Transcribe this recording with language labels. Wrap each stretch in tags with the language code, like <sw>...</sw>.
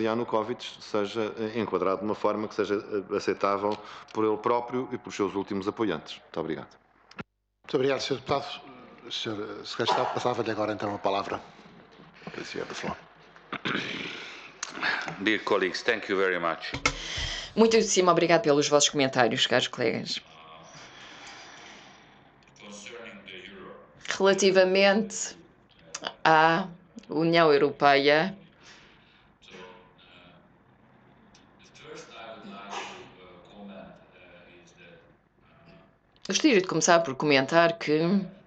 <pt>Yanukovych seja enquadrado de uma forma que seja aceitável por ele próprio e pelos seus últimos apoiantes. Muito obrigado. Muito obrigado, Sr. Deputado. Sr. Secretário, passava-lhe agora então a palavra.</pt> <en>Dear colleagues, thank you very much.</en> <pt>Muitíssimo obrigado pelos vossos comentários, caros colegas. Relativamente à União Europeia, gostaria de começar por comentar que</pt>